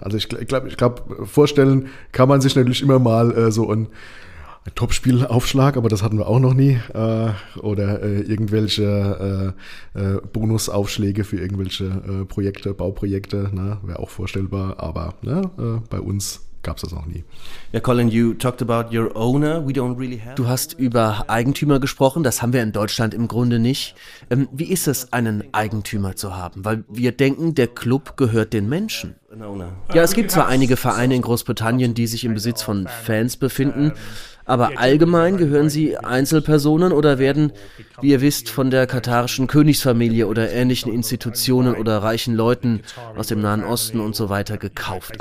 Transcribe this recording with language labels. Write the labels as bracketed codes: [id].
[de] Also ich glaube, vorstellen kann man sich natürlich immer mal so ein Topspielaufschlag, aber das hatten wir auch noch nie, oder irgendwelche Bonusaufschläge für irgendwelche Projekte, Bauprojekte, ne? Wäre auch vorstellbar, aber ne? Bei uns gab es das noch nie. [en] Ja, Colin, you talked about your owner. We don't really have. [de] Du hast über Eigentümer gesprochen. Das haben wir in Deutschland im Grunde nicht. Wie ist es, einen Eigentümer zu haben? Weil wir denken, der Club gehört den Menschen. Ja, es gibt zwar einige Vereine in Großbritannien, die sich im Besitz von Fans befinden, aber allgemein gehören sie Einzelpersonen oder werden, wie ihr wisst, von der katarischen Königsfamilie oder ähnlichen Institutionen oder reichen Leuten aus dem Nahen Osten und so weiter gekauft.